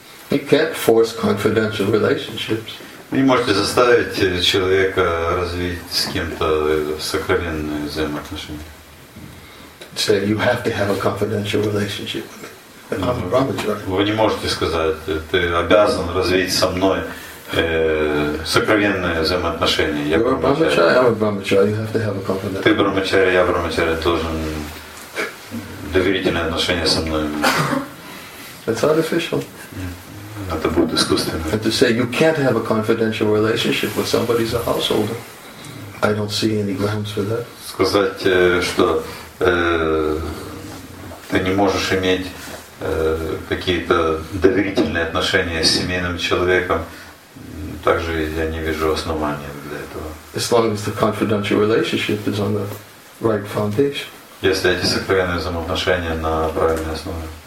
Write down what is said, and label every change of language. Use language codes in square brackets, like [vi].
[en] You can't force confidential relationships. [ru] Вы не можете заставить человека развить с кем-то сокровенные взаимоотношения. [en] Say you have to have a confidential relationship with me. [ru] Вы не можете сказать, ты обязан развить со мной сокровенные взаимоотношения. [en] You're a brahmachari, I'm a brahmachari. You have to have a confidential. [ru] Ты брахмачари, я брахмачари, должен доверительные отношения со мной. [en] It's artificial. [ru] Это будет искусственно. [en] And to say you can't have a confidential relationship with somebody's a householder, I don't see any grounds for that. [ru] Сказать, что ты не можешь иметь какие-то доверительные отношения с семейным человеком, также я не вижу основания для этого. [en] As long as the confidential relationship is on the right foundation. [ru] Если эти сокровенные взаимоотношения на правильной основе.